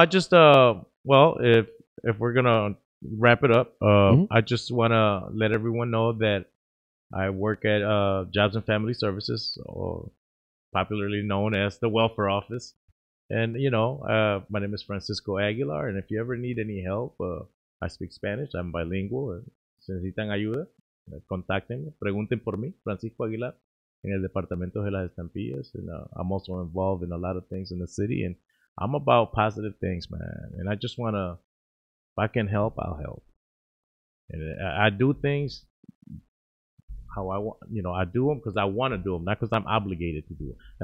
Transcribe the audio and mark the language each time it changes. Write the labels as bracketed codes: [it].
[en] I just well, if we're gonna wrap it up, I just want to let everyone know that I work at Jobs and Family Services, or popularly known as the Welfare Office. And, you know, my name is Francisco Aguilar, and if you ever need any help, I speak Spanish, I'm bilingual. [es] Si necesitan ayuda, contáctenme, pregunten por mí, Francisco Aguilar, en el Departamento de las Estampillas. [en] And I'm also involved in a lot of things in the city, and I'm about positive things, man. And I just want to, if I can help, I'll help. And I do things how I want, you know, I do them because I want to do them, not because I'm obligated to do it.